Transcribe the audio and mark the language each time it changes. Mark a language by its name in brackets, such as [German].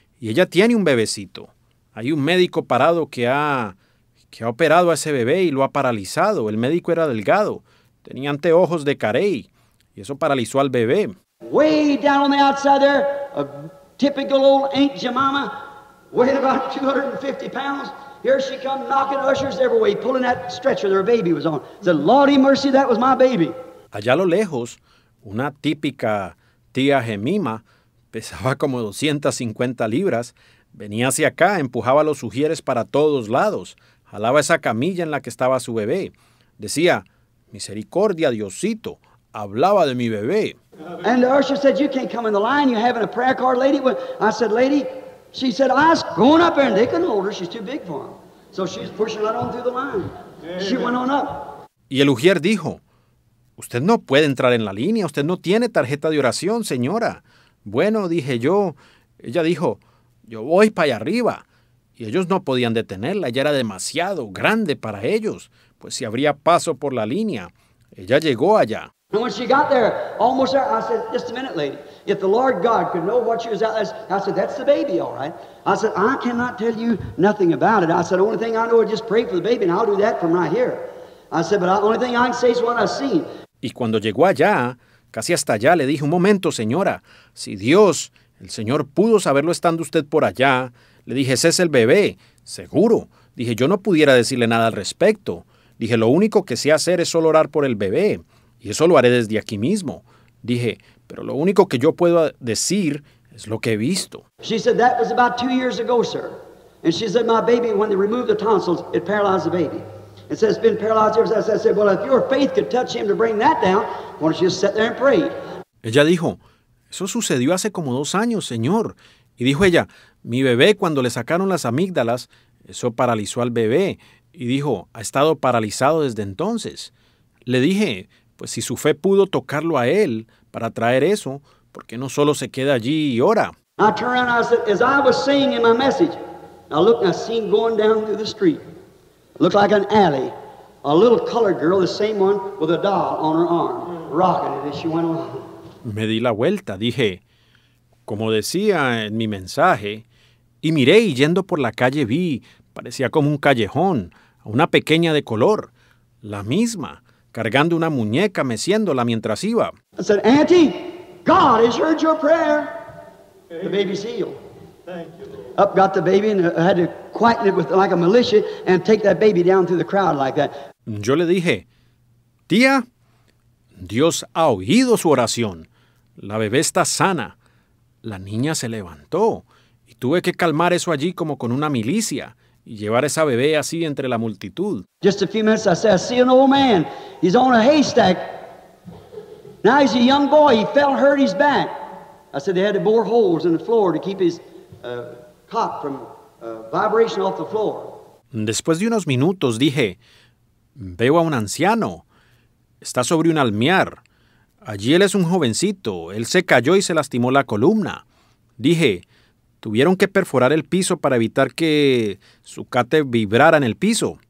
[Spanish] Y ella tiene un bebecito. Hay un médico parado que ha operado a ese bebé y lo ha paralizado. El médico era delgado. Tenía anteojos de Carey. Y eso paralizó al bebé. [English] Way down on the outside there, a typical old Aunt Jemima, weighed about 250 pounds. Here she come knocking ushers every way, pulling that stretcher their baby was on. Said, Lordy mercy, that was my baby. [Spanish] Allá a lo lejos, una típica tía Jemima, pesaba como 250 libras, venía hacia acá, empujaba los sugieres para todos lados, jalaba esa camilla en la que estaba su bebé. Decía, misericordia, Diosito, hablaba de mi bebé. [English] And the usher said, you can't come in the line, you're having a prayer card, lady. Well, I said, lady, she said, I was going up there, and they couldn't hold her, she's too big for them. So she's pushing right on through the line. She went on up. [Spanish] Y el ujier dijo, usted no puede entrar en la línea, usted no tiene tarjeta de oración, señora. Bueno, dije yo. Ella dijo, yo voy para allá arriba. Y ellos no podían detenerla. Ella era demasiado grande para ellos. Pues si habría paso por la línea, ella llegó allá. [English] And when she got there, almost there, I said, just a minute, lady. If the Lord God could know what she was out there, I said, that's the baby, all right. I said, I cannot tell you nothing about it. I said, the only thing I know is just pray for the baby, and I'll do that from right here. I said, but the only thing I can say is what I see. [Spanish] Y cuando llegó allá, casi hasta allá, le dije, un momento, señora, si Dios, el Señor, pudo saberlo estando usted por allá, le dije, ese es el bebé, seguro. Dije, yo no pudiera decirle nada al respecto. Dije, lo único que sé hacer es solo orar por el bebé, y eso lo haré desde aquí mismo. Dije, pero lo único que yo puedo decir es lo que he visto. [English] She said, that was about 2 years ago, sir. And she said, my baby, when they removed the tonsils, it paralyzed the baby. It says, it's been paralyzed ever since. I said, well, if your faith could touch him to bring that down, why don't you just sit there and pray? [Spanish] Ella dijo, eso sucedió hace como 2 años, señor. Y dijo ella, mi bebé, cuando le sacaron las amígdalas, eso paralizó al bebé. Y dijo, ha estado paralizado desde entonces. Le dije, pues si su fe pudo tocarlo a él para traer eso, ¿por qué no solo se queda allí y ora? [English] I turned around and I said, as I was saying in my message, I looked and I seen going down through the street. Looked like an alley, a little colored girl, the same one with a doll on her arm, rocking it as she went along. [Spanish] Me di la vuelta, dije, como decía en mi mensaje, y miré y yendo por la calle vi, parecía como un callejón, a una pequeña de color, la misma, cargando una muñeca, meciéndola mientras iba. [English] I said, Auntie, God has heard your prayer. The baby's healed. Thank you, Lord. Up got the baby and had to quieten it with like a militia and take that baby down through the crowd like that. [Spanish] Yo le dije, tía, Dios ha oído su oración. La bebé está sana. La niña se levantó y tuve que calmar eso allí como con una milicia y llevar esa bebé así entre la multitud. [English] Just a few minutes, I said, I see an old man. He's on a haystack. Now he's a young boy. He fell, hurt his back. I said they had to bore holes in the floor to keep his cot from vibration off the floor. [Spanish] Después de unos minutos, dije, veo a un anciano. Está sobre un almiar. Allí él es un jovencito. Él se cayó y se lastimó la columna. Dije, tuvieron que perforar el piso para evitar que su cate vibrara en el piso.